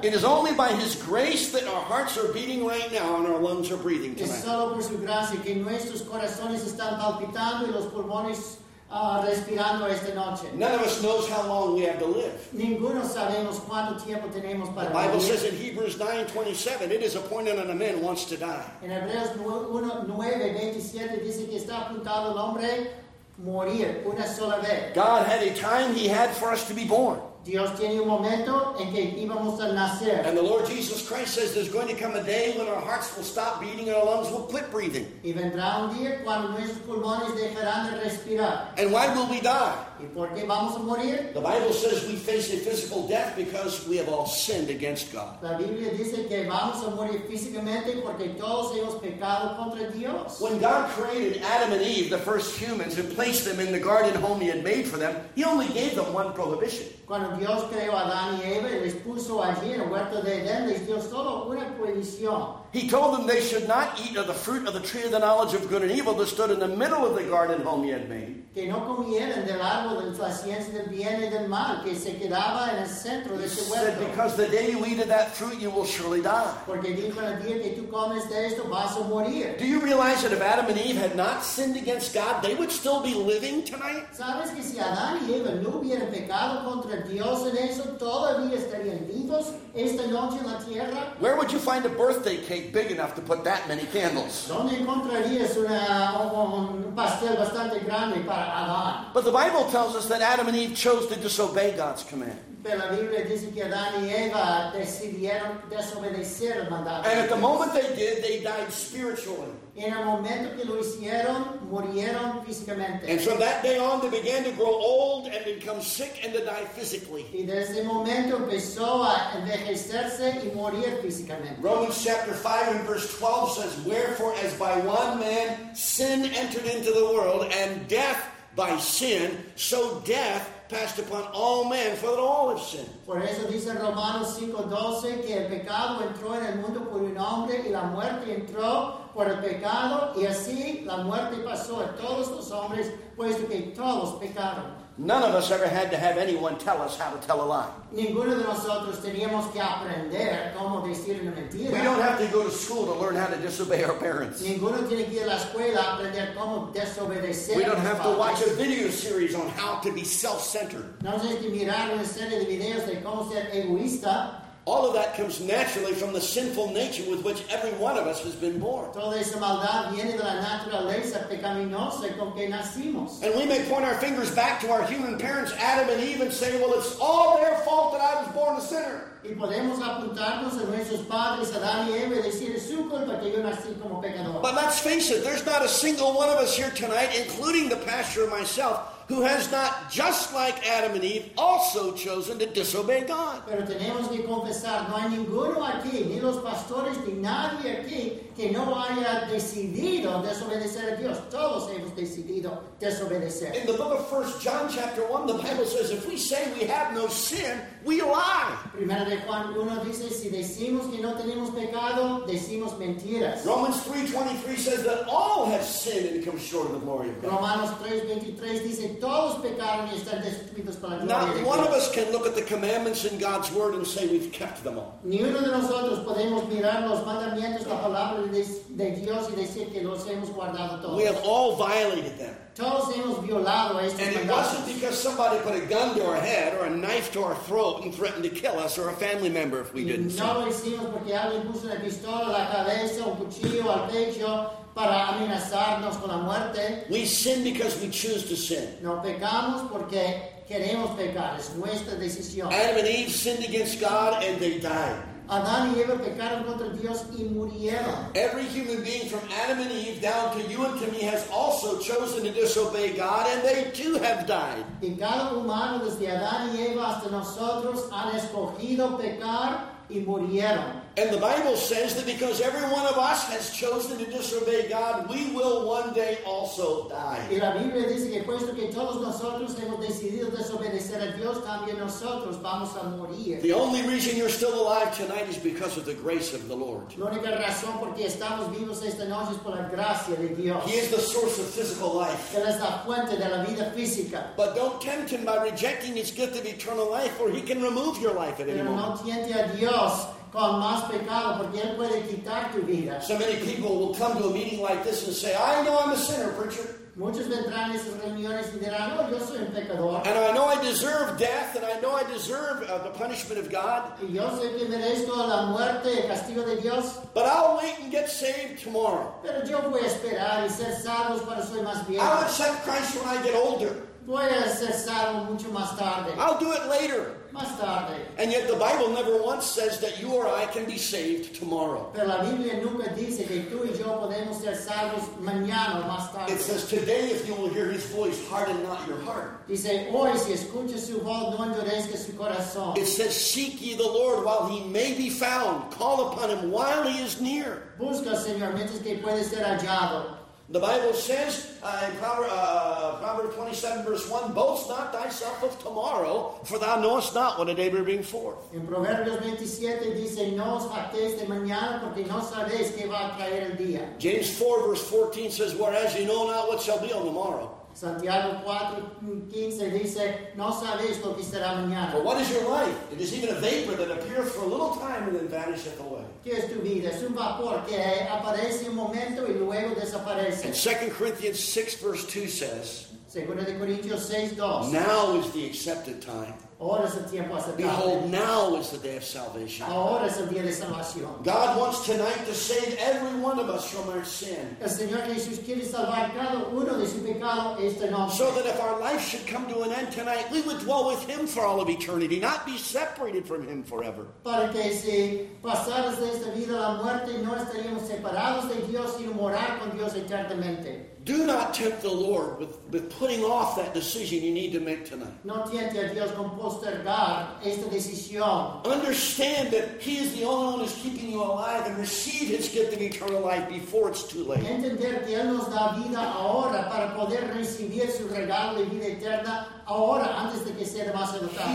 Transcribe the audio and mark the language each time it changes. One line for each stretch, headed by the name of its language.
English: It is only by his grace that our hearts are beating right now and our lungs are breathing tonight.
Spanish: Es solo por su gracia que nuestros corazones están palpitando y los pulmones respirando esta noche.
English: None of us knows how long we have to live.
Spanish: Ninguno sabemos cuánto tiempo tenemos para vivir.
English: The Bible says in Hebrews 9:27, it is appointed unto man once to die.
Spanish: En Hebreos 9:27 dice que está apuntado el hombre morir una sola vez.
English: God had a time he had for us to be born.
Spanish: Dios tiene un momento en que íbamos a nacer.
English: And the Lord Jesus Christ says there's going to come a day when our hearts will stop beating and our lungs will quit breathing.
Spanish: Y vendrá un día cuando nuestros pulmones dejarán de respirar.
English: And why will we die?
Spanish: ¿Y por qué vamos a morir?
English: The Bible says we face a physical death because we have all sinned against God.
Spanish: La Biblia dice que vamos a morir físicamente porque todos hemos pecado contra Dios.
English: When God created Adam and Eve, the first humans, and placed them in the garden home he had made for them, he only gave them one prohibition.
Spanish: Cuando Dios creó a Adán y Eva y les puso allí en el huerto de Edén, les dio solo una prohibición.
English: He told them they should not eat of the fruit of the tree of the knowledge of good and evil that stood in the middle of the garden home he had made.
Spanish: Que no comieran del árbol de la ciencia del bien y del mal que se quedaba en el centro de ese huerto.
English: He said, because the day you eat of that fruit, you will surely die.
Spanish: Porque dijo, el día que tú comes de esto, vas a morir.
English: Do you realize that if Adam and Eve had not sinned against God, they would still be living tonight?
Spanish: ¿Sabes que si Adán y Eva no hubieran pecado contra Dios en eso, todavía estarían vivos esta noche en la tierra?
English: Where would you find a birthday cake big enough to put that many candles?
Spanish: ¿Dónde encontrarías un pastel bastante grande para Adán?
English: But the Bible tells us that Adam and Eve chose to disobey God's command.
Spanish: Pero la Biblia dice que Adán y Eva decidieron desobedecer el mandato.
English: And at the moment they did, they died spiritually.
Spanish: En el momento que lo hicieron, murieron físicamente.
English: And from that day on, they began to grow old and become sick and to die physically.
Spanish: Y desde ese momento empezó a envejecerse y morir físicamente.
English: Romans chapter 5 and verse 12 says, wherefore as by one man sin entered into the world, and death by sin, so death passed upon all men, for that all have sinned.
Spanish: Por eso dice Romanos 5:12 que el pecado entró en el mundo por un hombre y la muerte entró por el pecado y así la muerte pasó a todos los hombres puesto que todos pecaron.
English: None of us ever had to have anyone tell us how to tell a lie.
Spanish: Ninguno de nosotros teníamos que aprender cómo decir una mentira.
English: We don't have to go to school to learn how to disobey our parents.
Spanish: Ninguno tiene que ir a la escuela a aprender cómo desobedecer.
English: We don't have to watch a video series on how to be self-centered.
Spanish: No tienes que mirar una serie de videos de cómo ser egoísta.
English: All of that comes naturally from the sinful nature with which every one of us has been born.
Spanish: Toda esa maldad viene de la naturaleza pecaminosa con que nacimos.
English: And we may point our fingers back to our human parents, Adam and Eve, and say, well, it's all their fault that I was born a sinner.
Spanish: Y podemos apuntarnos a nuestros padres, Adán y Eva, y decir, es su culpa que yo nací como pecador.
English: But let's face it, there's not a single one of us here tonight, including the pastor and myself, who has not, just like Adam and Eve, also chosen to disobey God.
Spanish: Pero tenemos que confesar, no hay ninguno aquí, ni los pastores, ni nadie aquí, que no haya decidido desobedecer a Dios. Todos hemos decidido desobedecer.
English: In the book of 1 John chapter 1, the Bible says, if we say we have no sin, we lie.
Spanish: Primera de Juan 1 dice, si decimos que no tenemos pecado, decimos mentiras.
English: Romans 3:23 says that all have sinned and come short of the glory of God.
Spanish: Romanos 3:23 dice, todos pecaron y están destruidos para la gloria de Dios.
English: Not one of us can look at the commandments in God's word and say we've kept them all.
Spanish: Ni uno de nosotros podemos mirar los mandamientos, la palabra de Dios y decir que los hemos guardado todos.
English: We have all violated them.
Spanish: Todos hemos violado estos mandatos.
English: And it wasn't because somebody put a gun to our head or a knife to our throat and threatened to kill us or a family member if we didn't.
Spanish: No lo hicimos porque alguien puso una pistola a la cabeza, un cuchillo al pecho para amenazarnos con la muerte.
English: We sin because we choose to sin.
Spanish: No pecamos porque queremos pecar. Es nuestra decisión.
English: Adam and Eve sinned against God and they died.
Spanish: Adán y Eva pecaron contra Dios y murieron.
English: Every human being from Adam and Eve down to you and to me has also chosen to disobey God, and they too have died.
Spanish: Y cada humano desde Adán y Eva hasta nosotros han escogido pecar y murieron.
English: And the Bible says that because every one of us has chosen to disobey God, we will one day also die.
Spanish: Y la Biblia dice que puesto que todos nosotros hemos decidido desobedecer a Dios, también nosotros vamos a morir.
English: The only reason you're still alive tonight is because of the grace of the Lord.
Spanish: La única razón por qué estamos vivos esta noche es por la gracia de Dios.
English: He is the source of physical life.
Spanish: Él es la fuente de la vida física.
English: But don't tempt him by rejecting his gift of eternal life, or he can remove your life at any moment.
Spanish: Pero no tiente a Dios con más pecado, porque él puede quitar tu vida.
English: So many people will come to a meeting like this and say, I know I'm a sinner, preacher.
Spanish: Muchos vendrán a esas reuniones y dirán, no, yo soy un pecador.
English: And I know I deserve death, and I know I deserve the punishment of God.
Spanish: Y yo sé que merezco la muerte, el castigo de Dios.
English: But I'll wait and get saved tomorrow.
Spanish: Pero yo voy a esperar y ser salvo cuando soy más viejo.
English: I'll accept Christ when I get older.
Spanish: Voy a ser salvo mucho más tarde.
English: I'll do it later.
Spanish: Más tarde.
English: And yet the Bible never once says that you or I can be saved tomorrow.
Spanish: Pero la Biblia nunca dice que tú y yo podemos ser salvos mañana o más tarde.
English: It says today if you will hear his voice, harden not your heart.
Spanish: Dice hoy si escuchas su voz, no endurezca su corazón.
English: It says seek ye the Lord while he may be found. Call upon him while he is near.
Spanish: Busca Señor mientras que puede ser hallado.
English: The Bible says in Proverbs 27 verse 1, boast not thyself of tomorrow, for thou knowest not what a day may bring forth.
Spanish: En Proverbios 27 dice, no os jactéis de mañana, porque no sabéis qué va a caer el día.
English: James 4 verse 14 says, whereas you know not what shall be on the morrow.
Spanish: Santiago 4, 15 dice, no sabéis lo que será mañana.
English: For what is your life? It is even a vapor that appears for a little time and then vanisheth away.
Spanish: ¿Qué es tu vida? Es un vapor que aparece un momento y luego desaparece.
English: And 2 Corinthians 6, verse 2 says,
Spanish: 2 Corintios 6, 2,
English: now is the accepted time.
Spanish: Ahora es el tiempo aceptable.
English: Behold, now is the day of salvation.
Spanish: Ahora es el día de salvación.
English: God wants tonight to save every one of us from our sin.
Spanish: El Señor Jesús quiere salvar cada uno de su pecado esta noche.
English: So that if our life should come to an end tonight, we would dwell with him for all of eternity, not be separated from him forever.
Spanish: Para que si pasadas de esta vida la muerte, no estaríamos separados de Dios, sino morar con Dios eternamente.
English: Do not tempt the Lord with putting off that decision you need to make tonight.
Spanish: No tiente a Dios con postergar esta decisión.
English: Understand that he is the only one who is keeping you alive, and receive his gift of eternal life before it's too late.
Spanish: Entender que él nos da vida ahora para poder recibir su regalo de vida eterna ahora antes de que sea demasiado tarde.